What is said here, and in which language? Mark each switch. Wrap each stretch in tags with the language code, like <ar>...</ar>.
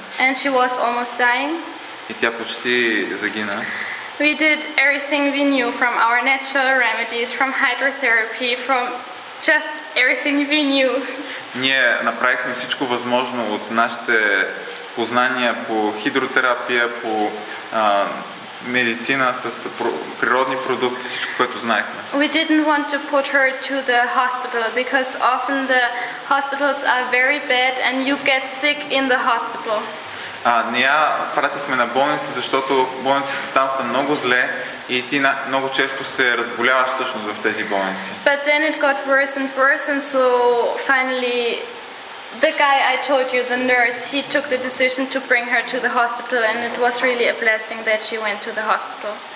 <en>And she was almost dying.</en> <bg>И тя почти загина.</bg> <en>We did everything we knew from our natural remedies, from hydrotherapy, from just everything we knew.</en> <bg>Ние направихме всичко възможно от нашите познания по хидротерапия, по медицина, с природни продукти, всичко, което знаехме.</bg> <en>We didn't want to put her to the hospital because often the hospitals are very bad and you get sick in the hospital.</en> <bg>Не я пратихме на болница, защото болниците там са много зле и ти много често се разболяваш всъщност в тези болници.</bg> <en>But then it got worse and worse, and so finally the guy I told you, the nurse, he took the decision to bring her to the hospital, and it was really a blessing that she went to the hospital.</en>